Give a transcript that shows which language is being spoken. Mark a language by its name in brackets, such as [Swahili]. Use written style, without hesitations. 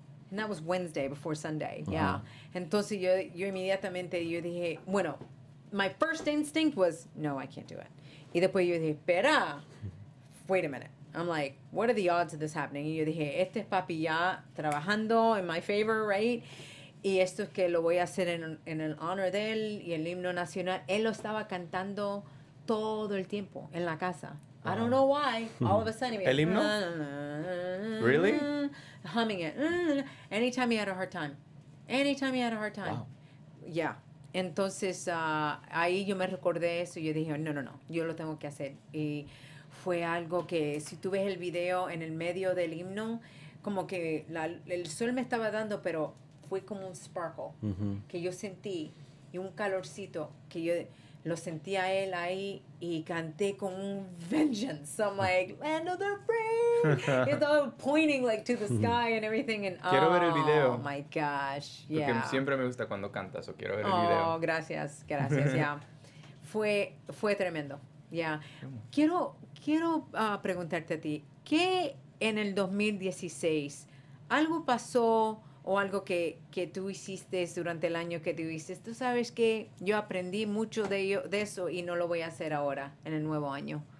[English] And that was Wednesday before Sunday, yeah. [Spanish] Entonces yo inmediatamente yo dije, bueno, [English] my first instinct was, no, I can't do it. [Spanish] Y después yo dije, espera, [English] wait a minute. I'm like, what are the odds of this happening? [Spanish] Y yo dije, este es papi ya trabajando [English] in my favor, right? [Spanish] Y esto es que lo voy a hacer en el honor de él y el himno nacional. Él lo estaba cantando todo el tiempo en la casa. [English] I don't know why. All of a sudden, [Spanish] el himno? [English] Really? Humming it. Anytime he had a hard time. Anytime he had a hard time. Wow. Yeah. [Spanish] Entonces, ahí yo me recordé eso y yo dije, no, yo lo tengo que hacer. Y fue algo que, si tú ves el video en el medio del himno, como que el sol me estaba dando, pero fue como un sparkle que yo sentí y un calorcito que yo lo sentí a él ahí y canté con un vengeance. [English] I'm like, land of the free. It's all pointing like to the sky and everything. And, [Spanish] quiero ver el video. [English] Oh my gosh. Yeah. [Spanish] Porque siempre me gusta cuando cantas o quiero ver el video. Oh, gracias. Yeah. Fue tremendo. Yeah. Quiero preguntarte a ti, ¿qué en el 2016 algo pasó o algo que tú hiciste durante el año que tú dices, tú sabes que yo aprendí mucho de eso y no lo voy a hacer ahora, en el nuevo año.